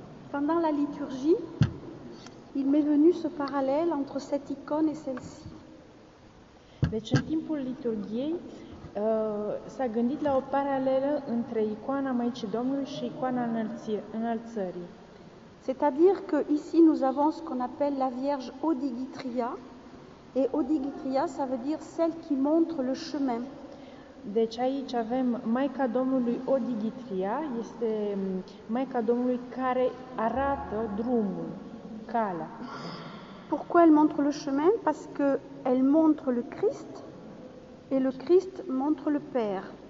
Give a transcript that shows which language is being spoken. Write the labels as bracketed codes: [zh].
[fr] Pendant la liturgie, il m'est venu ce parallèle entre cette icône et celle-ci. [ro] Deci, în timpul liturgiei, s-a gândit la o paralelă între icoana Maicii Domnului și icoana înălțării. [fr] C'est-à-dire que ici nous avons ce qu'on appelle la Vierge Odigitria, et Odigitria ça veut dire celle qui montre le chemin. [ro] Deci aici avem Maica Domnului Odigitria, este Maica Domnului care arată drumul, calea. [fr] Pourquoi elle montre le chemin? Parce que elle montre le Christ et le Christ montre le Père.